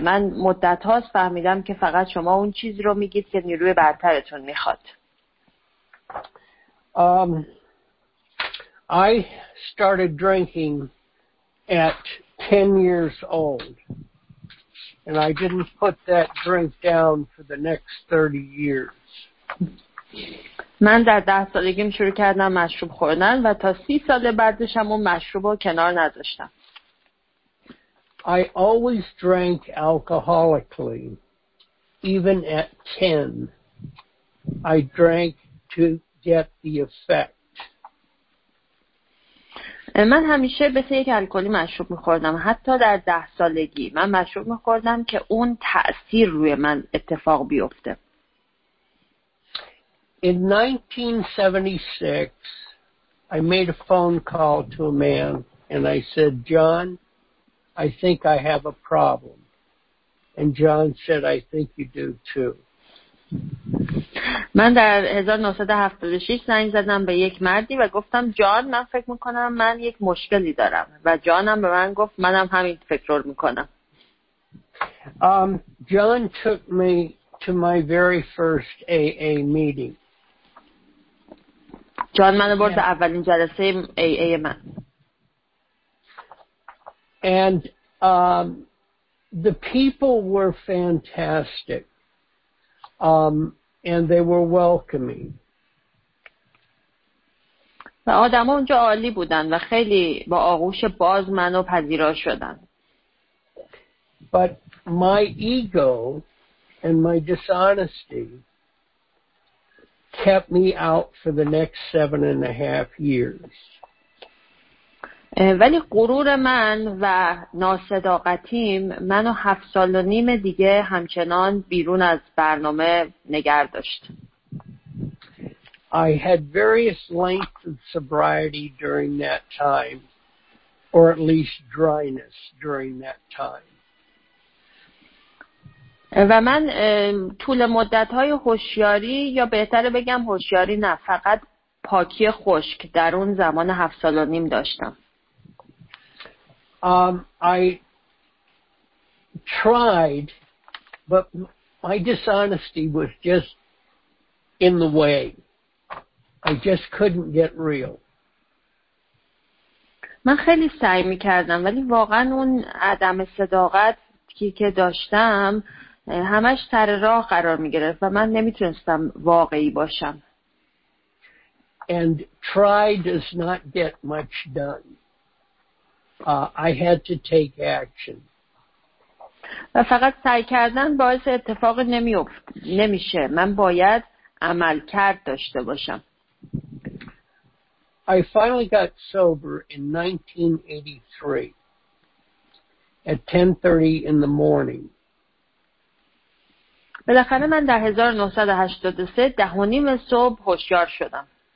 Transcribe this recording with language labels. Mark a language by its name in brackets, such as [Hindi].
[Persian] من مدت هاست فهمیدم که فقط شما اون چیز رو میگید که نیروی برترتون میخواد. [English] I started drinking at 10 years old. And I didn't put that drink down for the next 30 years. [Persian] من در 10 سالگیم شروع کردم مشروب خوردن و تا 30 سال بعدش هم اون مشروب رو کنار نذاشتم. [English] I always drank alcoholically, even at 10. I drank to get the effect. [Persian] من همیشه مثل یک الکلی مشروب می‌خوردم، حتی در 10 سالگی من مشروب می‌خوردم که اون تأثیر روی من اتفاق بیفته. [English] In 1976 I made a phone call to a man and I said, John, I think I have a problem. And John said, I think you do too. [Persian] من در 1976 زنگ زدم به یک مردی و گفتم جان من فکر میکنم من یک مشکلی دارم و جانم به من گفت منم همین فکر رو میکنم. [English] John took me to my very first AA meeting. [Persian] John منو برد اولین جلسه AA من. [English] And the people were fantastic. And they were welcoming. [Persian] و آدم‌ها اونجا عالی بودن و خیلی با آغوش باز منو پذیرا شدن. [English] But my ego and my dishonesty kept me out for the next 7.5 years. [Persian] ولی غرور من و ناصداقتیم منو 7.5 سال دیگه همچنان بیرون از برنامه نگه داشت. [English] I had various lengths of sobriety during that time, or at least dryness during that time. [Persian] و من طول مدت‌های هوشیاری یا بهتره بگم هوشیاری نه فقط پاکی خشک در اون زمان 7.5 سال داشتم. [English] I tried but my dishonesty was just in the way. I just couldn't get real. [Persian] من خیلی سعی می‌کردم ولی واقعا اون عدم صداقت که داشتم همش سر راه قرار می گرفت و من نمیتونستم واقعی باشم. [English] And try does not get much done. I had to take action. [Persian] و فقط سعی کردن باعث اتفاق نمیشه. من باید عمل کرد داشته باشم. [English] I finally got sober in 1983 at 10:30 in the morning. [Persian] بالاخره من در 1983 10:30 صبح هوشیار شدم.